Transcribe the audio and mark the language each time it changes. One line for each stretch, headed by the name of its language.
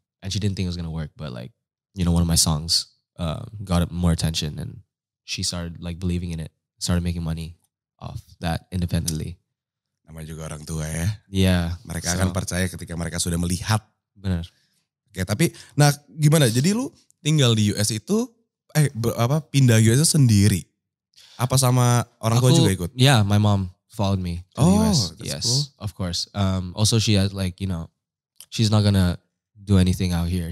English: And she didn't think it was gonna work, but like, you know, one of my songs got more attention and she started like believing in it, started making money off that independently.
Indonesian: Namanya juga orang tua ya.
English: Yeah.
Indonesian: Mereka akan percaya ketika mereka sudah melihat. Benar. Oke, tapi, nah gimana? Jadi lu tinggal di US itu, pindah US itu sendiri? Apa sama orang tua juga ikut?
English: Yeah, my mom followed me to the US. That's yes, cool. Of course. Also she has like, you know, she's not gonna do anything out here.